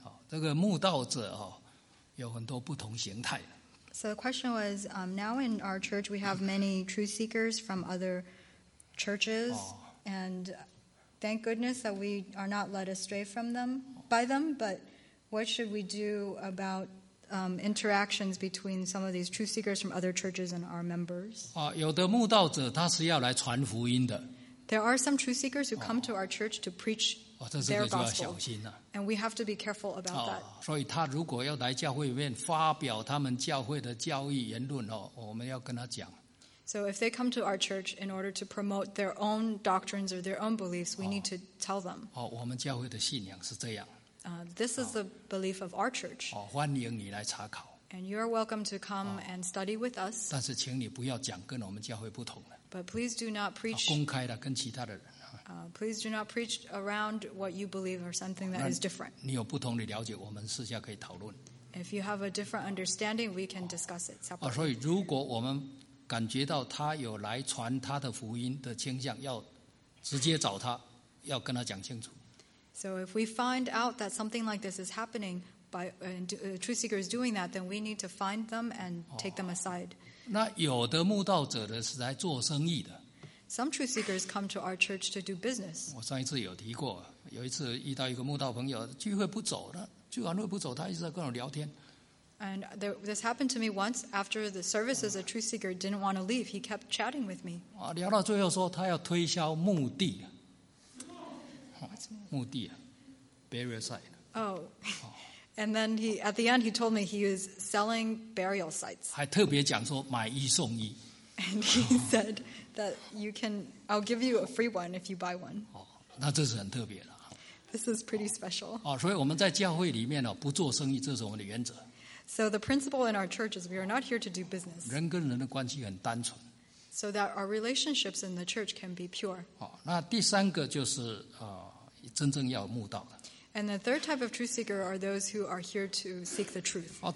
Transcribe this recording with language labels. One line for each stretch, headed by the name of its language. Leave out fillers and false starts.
Chinese: 这个慕道者有很多不同形态。
English: So the question was, now in our church we have many truth seekers from other churches, and thank goodness that we are not led astray from them, by them, but what should we do about interactions between some of these truth seekers from other churches and our members?
Chinese: 有的慕道者他是要来传福音的。
English: There are some truth seekers who come to our church to preach their gospel. And we have to be careful about that.
Chinese: 所以他如果要来教会里面发表他们教会的教义言论，我们要跟他讲。
English: So if they come to our church in order to promote their own doctrines or their own beliefs, we need to tell them.
Chinese: 我们教会的信仰是这样。
English: This is the belief of our church.
Chinese: 欢迎你来查考。
English: And you are welcome to come and study with us.
Chinese: 但是请你不要讲跟我们教会不同的。
English: But please do not preach.
Chinese: 公开的跟其他的人。
English: Please do not preach around what you believe or something that is different.
Chinese: 你有不同的了解，我们私下可以讨论。
English: If you have a different understanding, we can discuss it separately.
Chinese: 所以如果我们感觉到他有来传他的福音的倾向，要直接找他，要跟他讲清楚。
English: So if we find out that something like this is happening by truth seekers doing that, then we need to find them and take them aside.
Chinese: 那有的慕道者的是来做生意的。
English: Some truth seekers come to our church to do business.
Chinese: 我上一次有提过，有一次遇到一个慕道朋友，聚会不走了，聚完会不走，他一直在跟我聊天。
English: And this happened to me once after the services. A truth seeker didn't want to leave. He kept chatting with me.
Chinese: 聊到最后说他要推销墓地。
English: What's
Chinese: 墓地啊
English: ？Burial site. Oh. And then at the end, he told me he was selling burial sites.
Chinese: 还特别讲说买一送一。
English: And he said that I'll give you a free one if you buy one.
Chinese: 那这是很特别的。
English: This is pretty special.
Chinese: 所以我们在教会里面不做生意，这是我们的原则。
English: So the principle in our church is we are not here to do business.
Chinese: 人跟人的关系很单纯。
English: So that our relationships in the church can be pure.
Chinese: 那第三个就是真正要慕道的。
English: And the third type of truth seeker are those who are here to seek the truth.